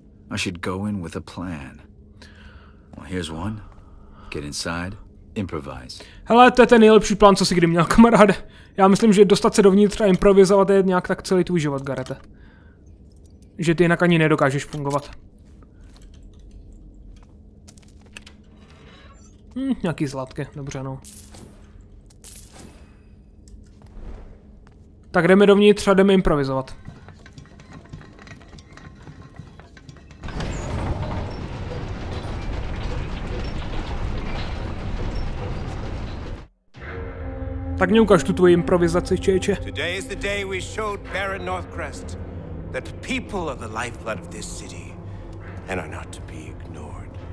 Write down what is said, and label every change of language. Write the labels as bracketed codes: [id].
[en] I should go in with a plan. Well, here's one. Get inside, improvise. [cs] Hele, to je ten nejlepší plán, co si kdy měl, kamaráde. Já myslím, že dostat se dovnitř a improvizovat je nějak tak celý tvůj život, Garete. Že ty jinak ani nedokážeš fungovat. Nějaký zlatky, dobře, no. Tak jdeme dovnitř a jdeme improvizovat. Tak mě ukáž tu tvoji improvizaci, čeječe. [en] Today is the day we showed Baron Northcrest that people are the lifeblood of this city and are not to be ignored.